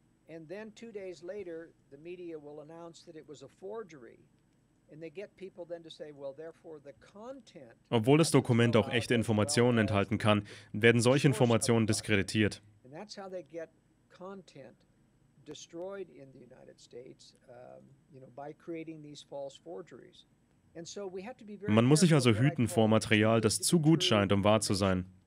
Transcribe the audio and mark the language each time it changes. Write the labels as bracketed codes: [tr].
[en] And then 2 days later, the media will announce that it was a forgery, and they get people then to say, well, therefore the content. [de] Obwohl das Dokument auch echte Informationen enthalten kann, werden solche Informationen diskreditiert. [en] And that's how they get content destroyed in the United States, you know, by creating these false forgeries. And so we have to be very careful. [de] Man muss sich also hüten vor Material, das zu gut scheint, um wahr zu sein.